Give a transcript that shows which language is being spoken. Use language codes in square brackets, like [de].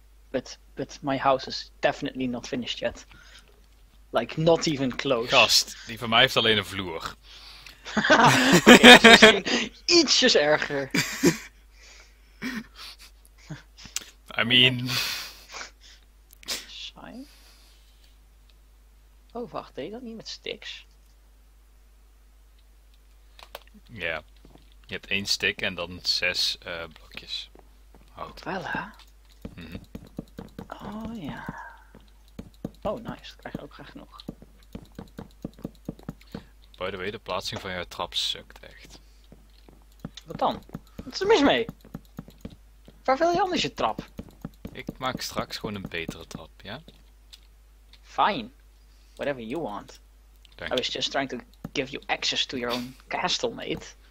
[en] But my house is definitely not finished yet. Like, not even close. [nl] Gast, die van mij heeft alleen een vloer. Oké, okay, misschien ietsjes erger. [en] I mean... Shine? [nl] Oh, wacht, deed dat niet met sticks? Ja. Yeah. Je hebt één stick en dan zes blokjes. Hout. Wel, hè? Mm-hmm. Oh, ja. Yeah. Oh, nice. Dat krijg je ook graag nog. [en] By the way, [nl] de plaatsing van jouw trap sukt echt. Wat dan? Wat is er mis mee? Waar wil je anders je trap? Ik maak straks gewoon een betere trap, ja? [en] Fine. Whatever you want. Thank you. I was just trying to give you access to your own castle, mate.